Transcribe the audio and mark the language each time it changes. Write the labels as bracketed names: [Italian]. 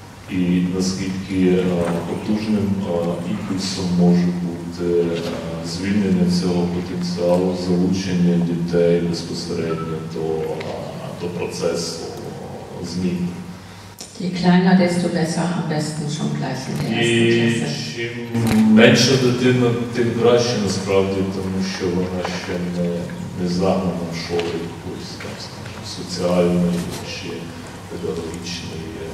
[Ukrainian] І наскільки потужним імпульсом може бути звільнення цього потенціалу, залучення дітей безпосередньо до процесу змін. [German] Je kleiner, desto besser, am besten schon gleich in der ersten Klasse. [Ukrainian] І чим менша дитина, тим краще насправді, тому що вона ще не загнана в школі якоїсь там, скажімо, соціальної чи педагогічної.